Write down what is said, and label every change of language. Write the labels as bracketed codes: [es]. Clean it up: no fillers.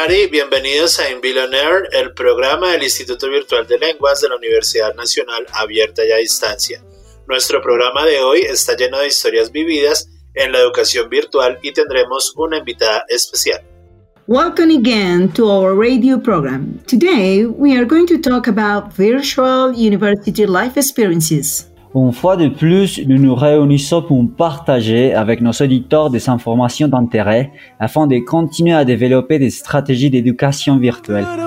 [es] Bienvenidos a In Billionaire, el programa del Instituto Virtual de Lenguas de la Universidad Nacional Abierta y a Distancia. Nuestro programa de hoy está lleno de historias vividas en la educación virtual y tendremos una invitada especial. [en] Welcome again to our radio program. Today we are going to talk about virtual university life experiences. [fr] Une fois de plus, nous nous réunissons pour partager avec nos auditeurs des informations d'intérêt afin de continuer à développer des stratégies d'éducation virtuelle.